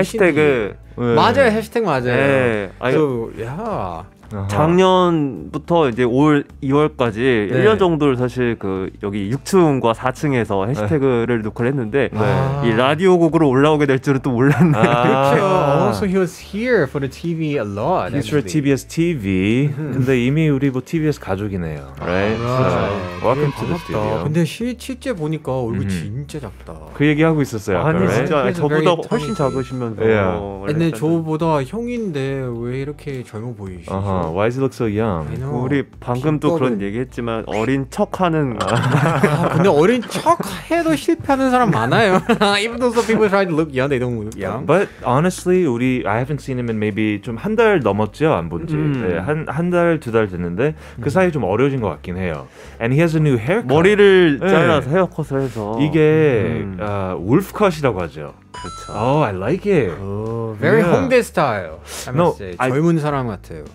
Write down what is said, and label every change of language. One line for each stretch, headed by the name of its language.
Korean: 해시태그. 네. 맞아요, 해시태그 맞아요.
English: 네. So, yeah.
Korean: 작년부터 이제 올 2월까지 네. 1년 정도를 사실 그 여기 6층과 4층에서 해시태그를 네. 녹화를 했는데 네. 이 라디오 곡으로 올라오게 될 줄은 또 몰랐네. 아. 그렇죠.
English: Also, he was here for the TV a lot. He's actually. for TBS TV.
Korean: 근데 이미 우리 뭐 TBS 가족이네요.
English: Right. So, welcome 네, to the studio.
Korean: 근데 실제 보니까 얼굴 진짜 작다. 그 얘기하고 있었어요. 아니, 진짜 right? 저보다 훨씬 작으시면서.
English: Yeah.
Korean: 근데 저보다 형인데 왜 이렇게 젊어 보이시죠?
English: Uh-huh. Why does he look so young?
Korean: 우리 방금 또 그런 얘기했지만 어린 척하는 근데 어린 척해도 실패하는 사람 많아요.
English: Even though some people try to look young, they don't look young. But honestly, 우리 I haven't seen him in maybe
Korean: 좀 한 달 넘었죠, 안 본 지. 한 달, 두 달 됐는데 그 사이에 좀 어려워진 것 같긴 해요.
English: And he has a new haircut.
Korean: 머리를 잘라서 헤어컷을 해서. 이게 울프컷이라고 하죠. 그렇죠.
English: Oh, I like it. Oh, very yeah. Hongdae style. I must say.
Korean: 젊은 사람 같아요.